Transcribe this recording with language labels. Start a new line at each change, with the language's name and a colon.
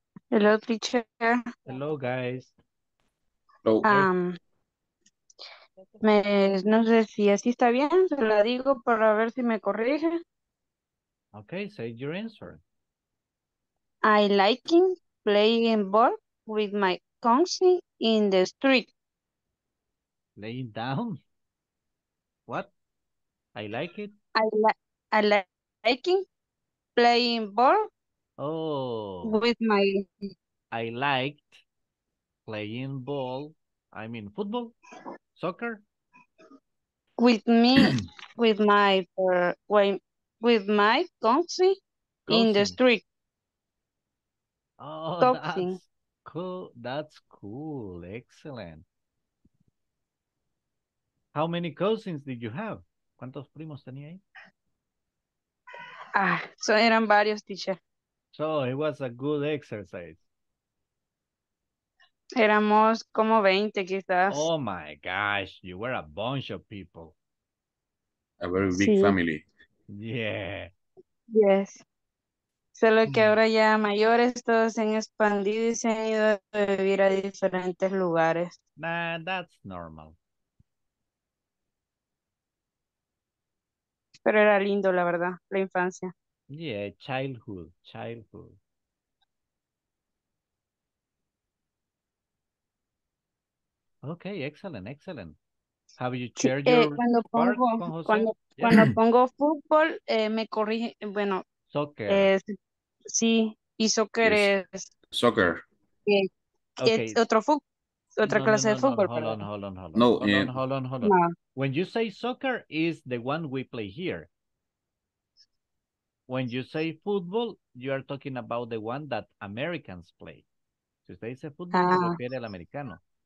English: la Hello, teacher. Hello, guys. Hello.
Spanish: No sé si así está bien, se la digo para ver si me corrige.
English: Okay, say your answer. I like playing ball with my cousin in the street. Laying down? What? I like it? I like playing ball. Oh. With my... I liked playing ball. I mean football, soccer. With me, with my cousin in the street. Oh, that's cool. That's cool. Excellent. How many cousins did you have?
Spanish: ¿Cuántos primos tenía ahí? Ah, so eran varios, teacher.
English: So it was a good exercise.
Spanish: Éramos como 20, quizás.
English: Oh my gosh, you were a bunch of people. A very big sí. Family. Yeah. Yes.
Spanish: Solo que ahora ya mayores todos se han expandido y se han ido a vivir a diferentes lugares.
English: Nah, that's normal.
Spanish: Pero era lindo, la verdad, la infancia.
English: Yeah, childhood. Okay, excellent. Have you shared your
Spanish: cuando pongo fútbol, me corrige, bueno.
English: Soccer.
Spanish: Sí, y soccer es...
English: Soccer.
Spanish: Okay. Es otro fútbol, otra clase de fútbol.
English: Hold on. When you say soccer, is the one we play here. When you say football, you are talking about the one that Americans play.
Spanish: Si usted dice fútbol, se refiere al americano.